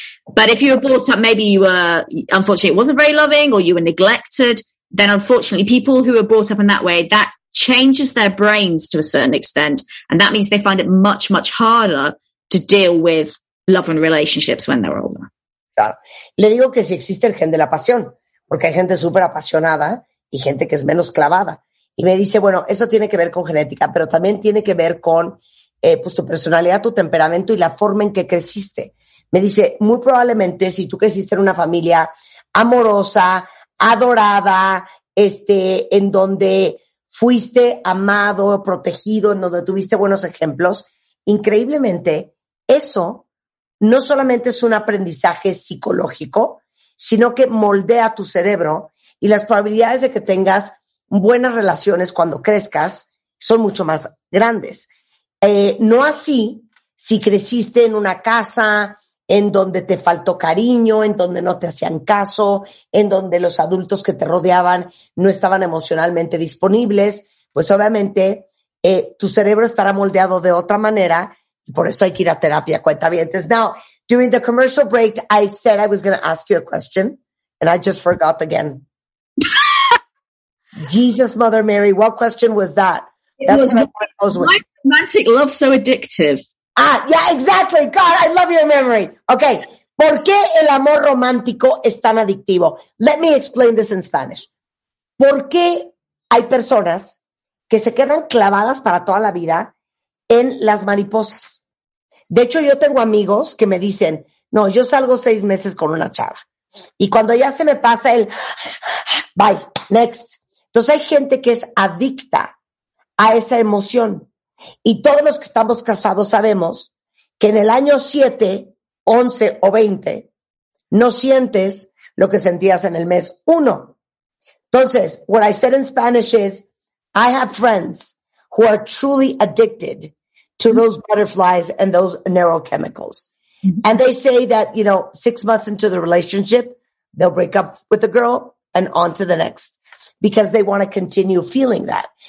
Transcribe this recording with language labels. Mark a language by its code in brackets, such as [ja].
[en] But if you were brought up, maybe you were, unfortunately, it wasn't very loving, or you were neglected, then unfortunately, people who are brought up in that way, that changes their brains to a certain extent. And that means they find it much, much harder to deal with love and relationships when they're older. [es] Claro. Le digo que si existe el gen de la pasión, porque hay gente súper apasionada y gente que es menos clavada. Y me dice, bueno, eso tiene que ver con genética, pero también tiene que ver con pues tu personalidad, tu temperamento y la forma en que creciste. Me dice, muy probablemente si tú creciste en una familia amorosa, adorada, en donde fuiste amado, protegido, en donde tuviste buenos ejemplos, increíblemente, eso no solamente es un aprendizaje psicológico, sino que moldea tu cerebro, y las probabilidades de que tengas buenas relaciones cuando crezcas son mucho más grandes. No así si creciste en una casa en donde te faltó cariño, en donde no te hacían caso, en donde los adultos que te rodeaban no estaban emocionalmente disponibles, pues obviamente tu cerebro estará moldeado de otra manera, y por eso hay que ir a terapia, cuentavientes. [en] Now, during the commercial break, I said I was going to ask you a question, and I just forgot again. Jesus, Mother Mary, what question was that? Why romantic love so addictive? Ah, yeah, exactly. God, I love your memory. Okay, [es] ¿Por qué el amor romántico es tan adictivo? [en] Let me explain this in Spanish. [es] ¿Por qué hay personas que se quedan clavadas para toda la vida en las mariposas? De hecho, yo tengo amigos que me dicen, no, yo salgo 6 meses con una chava. Y cuando ya se me pasa el, [en] bye, next. [es] Entonces hay gente que es adicta a esa emoción. Y todos los que estamos casados sabemos que en el año 7, 11 o 20, no sientes lo que sentías en el mes 1. Entonces, [en] what I said in Spanish is, I have friends who are truly addicted to those butterflies and those neurochemicals. And they say that, you know, 6 months into the relationship, they'll break up with the girl and on to the next because they want to continue feeling that.